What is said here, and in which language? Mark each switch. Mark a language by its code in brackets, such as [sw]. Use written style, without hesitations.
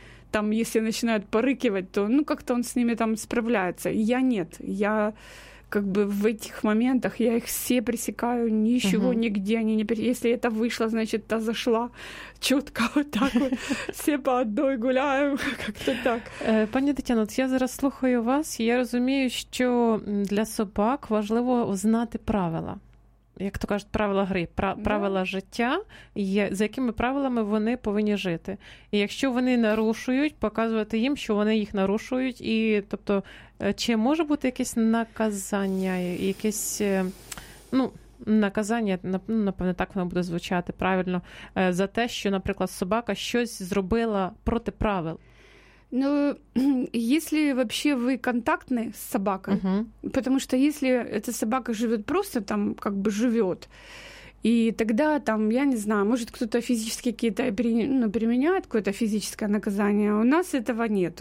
[ru] Там, если начинают порыкивать, то, ну, как-то он с ними там справляется. Я нет, я как бы в этих моментах, я их все пресекаю, ничего нигде они не пресекают. Если это вышло, значит, та зашла чётко вот так вот. Все по одной гуляем, как-то так. [uk] Пані Тетяно, я зараз слухаю вас, я розумію, що для собак важливо знати правила. Як то кажуть, правила гри, правила життя, за якими правилами вони повинні жити. І якщо вони нарушують, показувати їм, що вони їх нарушують. І, тобто, чи може бути якесь наказання, якесь, ну, наказання, напевно, так воно буде звучати правильно, за те, що, наприклад, собака щось зробила проти правил. [ru] Ну, если вообще вы контактны с собакой, потому что если эта собака живет просто там, как бы живет, и тогда там, я не знаю, может, кто-то физически какие-то, ну, применяет какое-то физическое наказание, у нас этого нет.